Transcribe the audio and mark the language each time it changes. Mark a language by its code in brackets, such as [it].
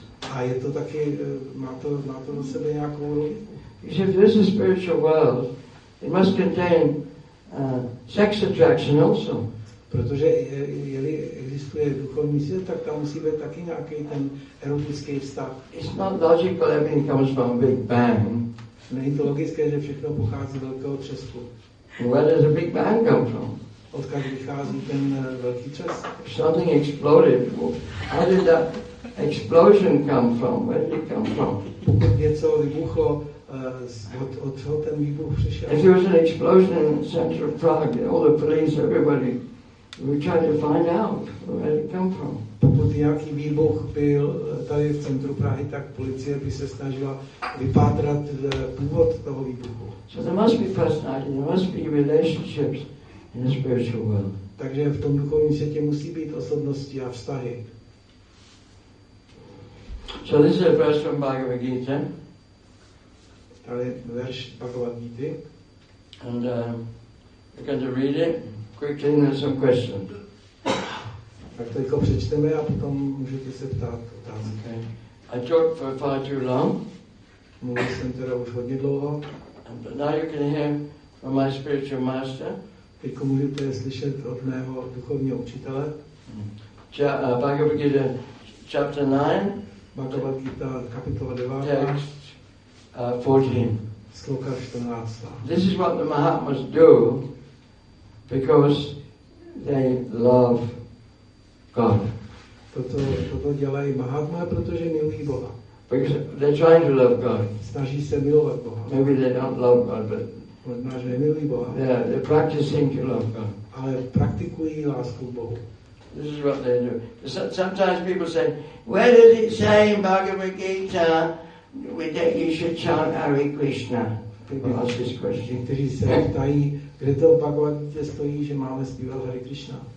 [cs] A je to taky, má to na sebe nějakou logiku. [en] If this is spiritual world, it must contain sex attraction also. [cs] Protože jeli existuje duchovní svět, tak tam musí být taky nějaký ten erotický vztah. [en] It's not logical everything comes from a big bang. [cs] Není to logické, že všechno pochází z velkého třesku. [en] Where does a big bang come from? [cs] Odkud vychází ten velký třes? [en] Something exploded. How did that explosion come from? Where did it come from? [cs] Něco vybuchlo, od čeho ten výbuch přišel? [en] If there was an explosion in the center of Prague, all the police, everybody, we tried to find out where it came from. [cs] Pokud nějaký výbuch byl tady v centru Prahy, tak policie by se snažila vypátrat původ toho výbuchu. [en] So there must be personality, there must be relationships in the spiritual world. [cs] Takže v tom duchovním světě musí být osobnosti a vztahy. [en] So this is a verse from Bhagavad Gita. [cs] Tady verš Bhagavad Gita. [en] And we're going to read it quickly and some questions. [cs] Tak teďko přečteme a potom můžete se ptát otázky. [en] Okay. I talked for far too long. [cs] Mluvil jsem teda už hodně dlouho. [en] And now you can hear from my spiritual master. [cs] Teďko můžete slyšet od mého duchovního učitele. [en] Bhagavad Gita chapter 9. [cs] Bhagavad Gita kapitola 9. [en] Text 14. [cs] Sloka 14. [en] This is what the Mahatmas do because they love God. [cs] Toto dělají Mahatma, protože milují Boha. [en] Because they're trying to love God. [cs] Snaží se milovat Boha. [en] Maybe they don't love God, but [cs] milují Boha. [en] They're practicing to love God. [cs] Ale praktikují lásku Bohu. [en] This is what they do. Sometimes people say, where does it say in Bhagavad Gita that you should chant Hare Krishna? People ask this question. [cs] Někteří se ptají, kde to v Bhagavad Gita stojí, že máme zpívat Hare Krishna.